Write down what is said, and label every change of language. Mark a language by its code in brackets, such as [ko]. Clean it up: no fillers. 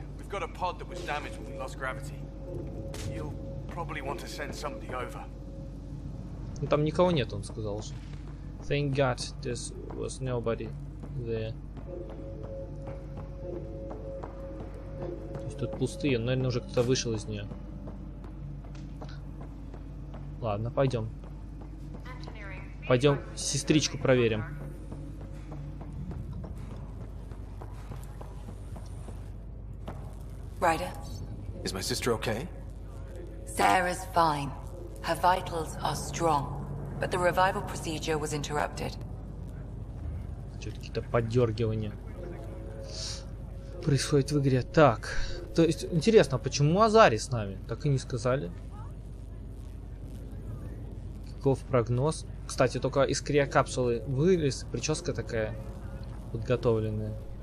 [en] We've got a pod that was damaged when we lost gravity. You'll probably want to send somebody over. [ru] Ну, там никого нет, он сказал же. [en] Thank God, there was nobody there. [ru] То есть тут пустые, наверное, уже кто-то вышел из нее. Ладно, пойдем. Пойдем сестричку проверим. [en] Ryder? Is my sister okay? Sarah's fine. Her vitals are strong, but the revival procedure was interrupted. [ru] Что-то какие-то подергивания происходят в игре. Так, то есть, интересно, почему Азари с нами? Так и не сказали. Каков прогноз? Кстати, только из криокапсулы вылез, прическа такая подготовленная.